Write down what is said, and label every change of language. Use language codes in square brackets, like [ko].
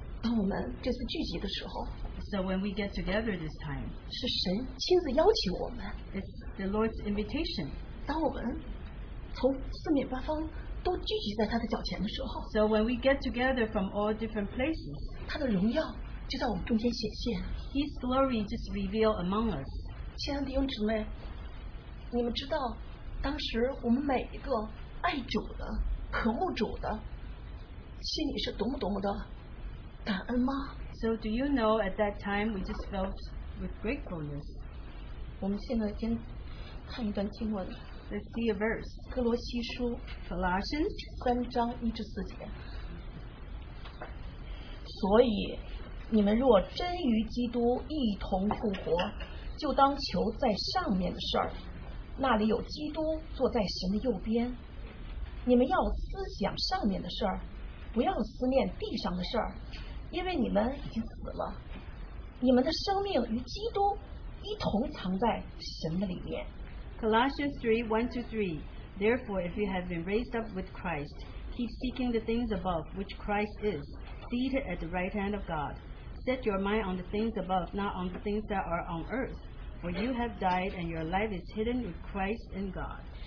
[zh] 当我们这次聚集的时候, [en] so when we get together this time, [zh] 是神亲自邀请我们, [en] it's the Lord's invitation. [zh] 当我们从四面八方都聚集在他的脚前的时候, [en] so when we get together from all different places, [zh] 他的荣耀就在我们中间显现, [en] His glory just revealed among us. [zh] 亲爱的弟兄姊妹, 你们知道, 当时我们每一个爱主的、渴慕主的，心里是多么多么的感恩吗？ [en] So do you know at that time we just felt with gratefulness? [zh] 我们现在先看一段经文。 [en] Let's see a verse. [zh] 哥罗西书 [en] Colossians [zh] 3:1-4。所以，你们若真与基督一同复活，就当求在上面的事儿。那里有基督坐在神的右边。你们要思想上面的事儿，不要思念地上的事儿，因为你们已经死了。你们的生命与基督一同藏在神的里面。Colossians [en] 3:1-3 Therefore, if you have been raised up with Christ, keep seeking the things above, which Christ is, seated at the right hand of God. Set your mind on the things above, not on the things that are on earth. For you have died, and your life is hidden with Christ in God.